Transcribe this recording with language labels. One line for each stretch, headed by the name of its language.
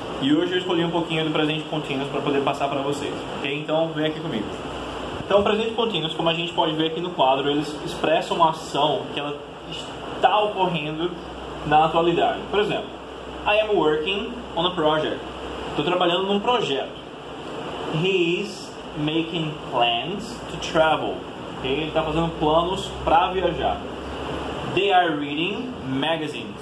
Portuguese: E hoje eu escolhi um pouquinho do presente contínuo para poder passar para vocês, ok? Então, vem aqui comigo. Então, o presente contínuo, como a gente pode ver aqui no quadro, eles expressam uma ação que ela está ocorrendo na atualidade. Por exemplo,
English: I am working on a project.
Portuguese: Estou trabalhando num projeto.
English: He is making plans to travel. Okay?
Portuguese: Ele está fazendo planos para viajar.
English: They are reading magazines.